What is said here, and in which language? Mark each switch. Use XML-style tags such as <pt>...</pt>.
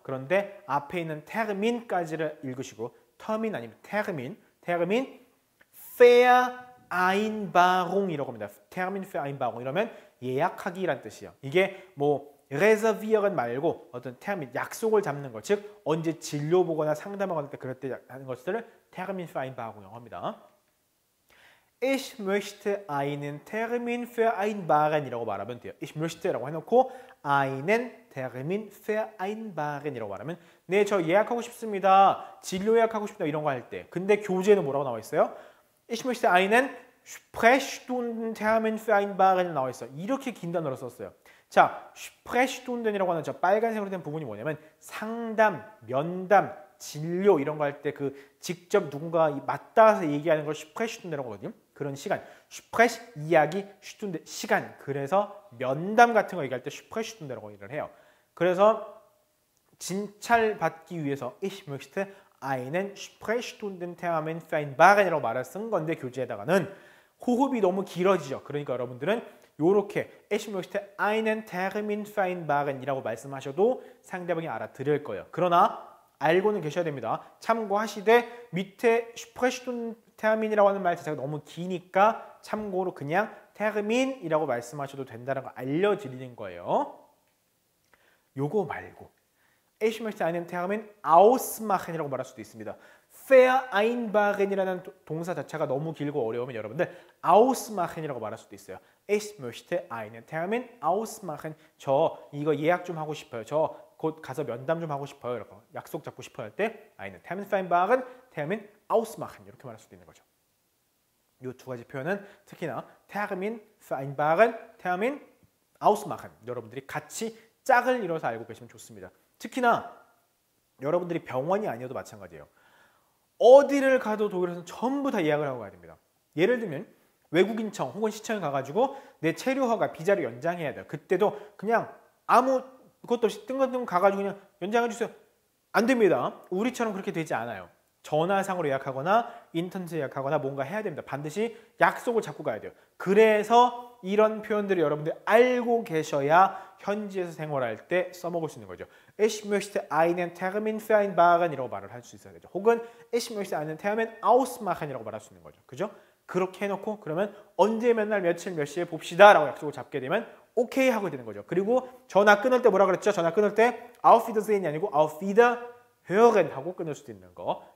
<ko>그런데 앞에 있는 Termin까지를 읽으시고 Termin 아니면 Termin, Termin Vereinbarung이라고 합니다. Termin Vereinbarung 이러면 예약하기란 뜻이에요. 이게 뭐 Reservieren 말고 어떤 Termin, 약속을 잡는 것, 즉 언제 진료 보거나 상담하거나 그럴 때 하는 것들을 Termin Vereinbarung이라고 합니다.</ko> <de>Ich möchte einen Termin vereinbaren</de> <ko>이라고 말하면 돼요.</ko> <de>Ich möchte</de> <ko>라고 해놓고</ko> <de>einen Termin vereinbaren</de> <ko>이라고 말하면 네, 저 예약하고 싶습니다. 진료 예약하고 싶다 이런 거 할 때. 근데 교재에는 뭐라고 나와 있어요?</ko> <de>Ich möchte einen Sprechstunden Termin vereinbaren</de> <ko>이라고 나와 있어요. 이렇게 긴 단어로 썼어요. 자, Sprechstunden 이라고 하는 저 빨간색으로 된 부분이 뭐냐면 상담, 면담, 진료 이런 거 할 때 그 직접 누군가 맞닿아서 얘기하는 걸 Sprechstunde라고 하거든요. 그런 시간, Sprech 이야기, Stunde 시간. 그래서 면담 같은 거 얘기할 때 Sprechstunde라고 얘기를 해요. 그래서 진찰받기 위해서</ko> <de>Ich möchte einen Sprechstunden Termin vereinbaren</de> <ko>이라고 말을 쓴 건데 교재에다가는 호흡이 너무 길어지죠. 그러니까 여러분들은 요렇게</ko> <de>Ich möchte einen Termin vereinbaren</de> <ko>이라고 말씀하셔도 상대방이 알아들을 거예요. 그러나 알고는 계셔야 됩니다. 참고하시되 밑에 Sprechstunden Termin이라고 하는 말 자체가 너무 기니까 참고로 그냥 Termin이라고 말씀하셔도 된다는 거 알려드리는 거예요. 요거 말고</ko> <de>Ich möchte einen Termin ausmachen</de> <ko>이라고 말할 수도 있습니다. Vereinbaren이라는 동사 자체가 너무 길고 어려우면 여러분들 ausmachen이라고 말할 수도 있어요.</ko> <de>Ich möchte einen Termin ausmachen.</de> <ko>저 이거 예약 좀 하고 싶어요. 저 곧 가서 면담 좀 하고 싶어요. 이렇게 약속 잡고 싶어요 할 때 einen Termin vereinbaren, Termin ausmachen 이렇게 말할 수도 있는 거죠. 이 두 가지 표현은 특히나 Termin vereinbaren, Termin ausmachen 여러분들이 같이 짝을 이뤄서 알고 계시면 좋습니다. 특히나 여러분들이 병원이 아니어도 마찬가지예요. 어디를 가도 독일에서는 전부 다 예약을 하고 가야 됩니다. 예를 들면 외국인청 혹은 시청에 가가지고 내 체류허가 비자를 연장해야 돼요. 그때도 그냥 아무것도 없이 뜬금뜬금 가가지고 그냥 연장해 주세요. 안 됩니다. 우리처럼 그렇게 되지 않아요. 전화상으로 예약하거나 인터넷에 예약하거나 뭔가 해야 됩니다. 반드시 약속을 잡고 가야 돼요. 그래서 이런 표현들을 여러분들 알고 계셔야 현지에서 생활할 때 써먹을 수 있는 거죠.</ko> <de>Ich möchte einen Termin für ein Wagen</de> <ko>이라고 말을 할 수 있어야 되죠. 혹은</ko> <de>Ich möchte einen Termin ausmachen</de> <ko>이라고 말할 수 있는 거죠. 그죠? 그렇게 해놓고 그러면 언제 몇 날 며칠 몇 시에 봅시다 라고 약속을 잡게 되면 오케이 하고 되는 거죠. 그리고 전화 끊을 때 뭐라 그랬죠? 전화 끊을 때 Auf Wiedersehen이 아니고 Auf Wiederhören 하고 끊을 수도 있는 거.</ko>